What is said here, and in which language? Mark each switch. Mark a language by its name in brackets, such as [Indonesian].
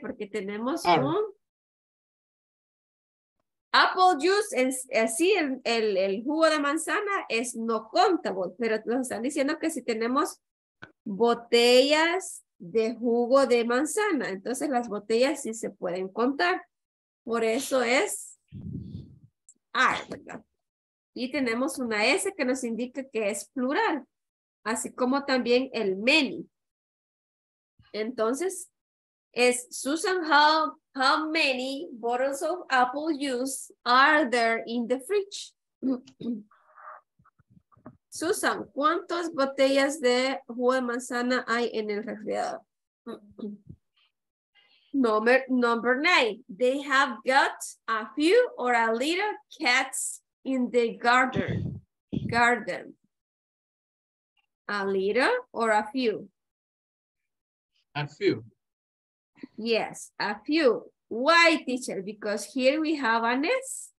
[Spanish] Porque tenemos un apple juice, así el jugo de manzana es no contable, pero nos están diciendo que si tenemos botellas de jugo de manzana, entonces las botellas sí se pueden contar. Por eso es are, ¿verdad? Y tenemos una S que nos indica que es plural, así como también el many. Entonces, es [English] Susan, how many bottles of apple juice are there in the fridge? [Spanish] Susan, ¿cuántas botellas de jugo de manzana hay en el refrigerador? [English] Number 9. They have got a few or a little cats in the garden. Garden. A little or a few? A few. Yes, a few. Why, teacher? Because here we have an S.